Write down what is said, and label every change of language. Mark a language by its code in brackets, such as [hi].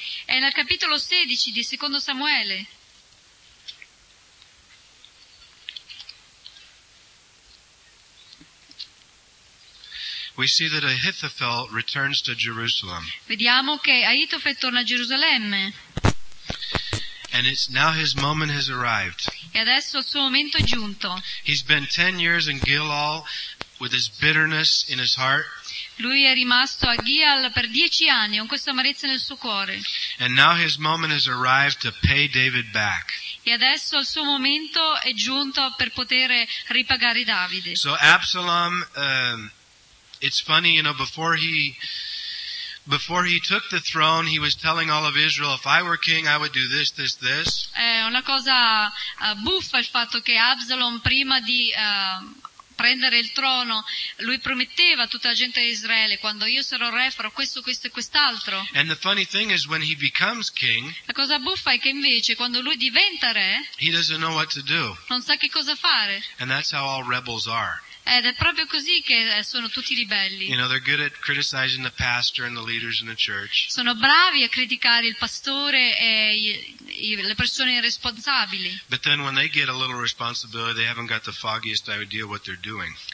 [it] E nel capitolo 16 di Secondo Samuele. [en] Verse we see that Ahithophel returns to Jerusalem. [it] Vediamo che Ahitofel torna a Gerusalemme. [en] And it's now his moment has arrived. [it] E adesso il suo momento è giunto. [en] He's been 10 years in Gilgal with his bitterness in his heart. [it] Lui è rimasto a Gilgal per 10 anni con questa amarezza nel suo cuore. [en] And now his moment has arrived to pay David back. [it] E adesso il suo momento è giunto per poter ripagare Davide. [en] So Absalom, it's funny, you know, before he took the throne, he was telling all of Israel, if I were king, I would do this, this, this. [it] È una cosa buffa il fatto che Absalom prima di prendere il trono, lui prometteva a tutta la gente di Israele, quando io sarò re farò questo, questo e quest'altro. [en] And the funny thing is, when he becomes king, [it] la cosa buffa è che invece quando lui diventa re, [en] he doesn't know what to do. [it] Non sa che cosa fare. [en] And that's how all rebels are. [it] Ed è proprio così che sono tutti ribelli. [en] You know, they're good at criticizing the pastor and the leaders in the church. [it] Sono bravi a criticare il pastore e le persone responsabili. [en] But then when they get a little responsibility, they haven't got the foggiest idea what they're doing.